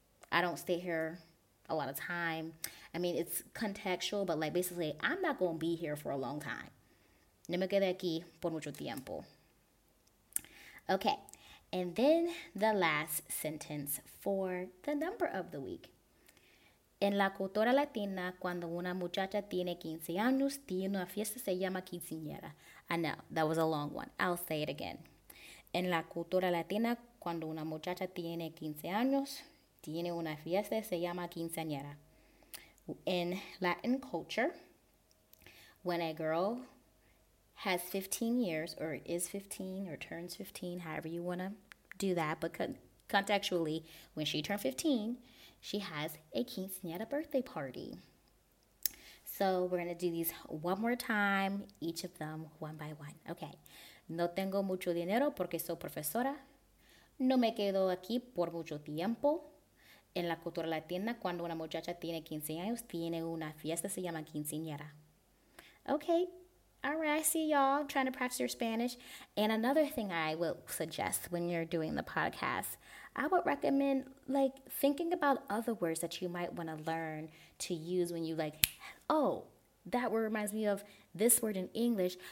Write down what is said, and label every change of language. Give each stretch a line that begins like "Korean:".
English: I don't stay here a lot of time. I mean, it's contextual, but like basically, I'm not going to be here for a long time.
Spanish: No me quedo aquí por mucho tiempo.
English: Okay, and then the last sentence for the number of the week.
Spanish: En la cultura latina, cuando una muchacha tiene 15 años, tiene una fiesta, se llama quinceañera.
English: I know, that was a long one. I'll say it again.
Spanish: En la cultura latina, cuando una muchacha tiene 15 años, tiene una fiesta, se llama quinceañera.
English: In Latin culture, when a girl has 15 years, or is 15, or turns 15, however you want to do that, but contextually, when she turned 15, she has a quinceañera birthday party. So we're going to do these one more time, each of them one by one.
Spanish: Okay. No tengo mucho dinero porque soy profesora. No me quedo aquí por mucho tiempo. En la cultura latina, cuando una muchacha tiene 15 años, tiene una fiesta, se llama quinceañera.
English: Okay. All right. I see y'all trying to practice your Spanish. And another thing I will suggest when you're doing the podcast, I would recommend, like, thinking about other words that you might want to learn to use when you, like, oh, that word reminds me of this word in English.